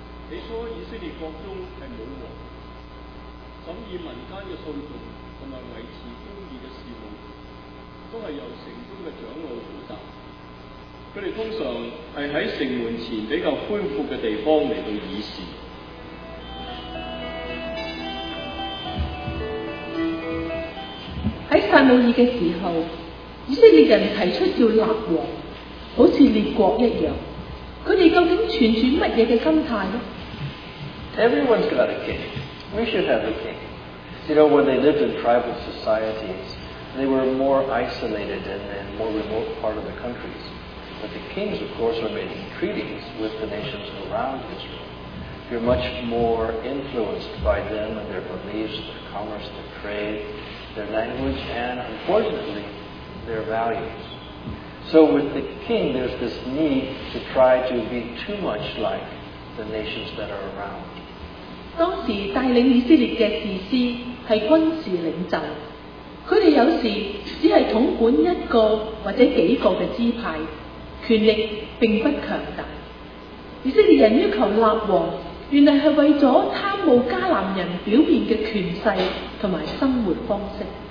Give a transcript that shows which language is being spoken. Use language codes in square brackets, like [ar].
[zh] 你说以色列国中是没有王，审议民间的信众和维持公义的事务都是由城中的长老负责，他们通常是在城门前比较恢复的地方来到议事。撒母耳的时候，以色列人提出要立王，好像列国一样，他们究竟存着什么的心态呢？ [en] Everyone's got a king. We should have a king. You know, when they lived in tribal societies, they were more isolated and more remote part of the countries. But the kings, of course, are making treaties with the nations around Israel. You're much more influenced by them and their beliefs, their commerce, their trade, their language, and unfortunately, their values. So with the king, there's this need to try to be too much like the nations that are around. [zh] 当时带领以色列的士师是军事领袖，他们有时只是统管一个或者几个的支派，权力并不强大。以色列人要求立王，原来是为了贪慕迦南人表面的权势和生活方式。